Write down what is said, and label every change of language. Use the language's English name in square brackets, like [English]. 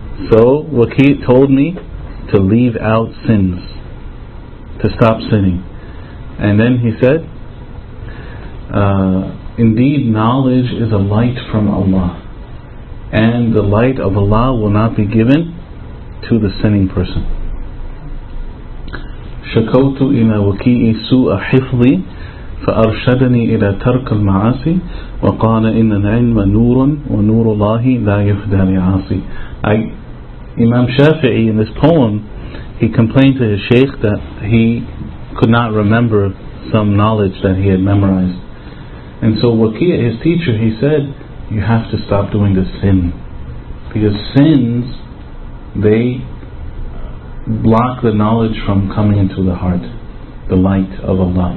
[English] So Waqi' told me to leave out sins, to stop sinning." And then he said, "Indeed, knowledge is a light from Allah, and the light of Allah will not be given to the sinning person. [Arabic] Shakawtu ila waqi'i su'a hifzi فأرشدني إلى ترك المعاصي وقال إن العلم نور ونور الله لا يهدى لعاصي. [English] Imam Shafi'i in this poem, he complained to his sheikh that he could not remember some knowledge that he had memorized. And so Waqi'a, his teacher, he said, you have to stop doing this sin. Because sins, they block the knowledge from coming into the heart, the light of Allah.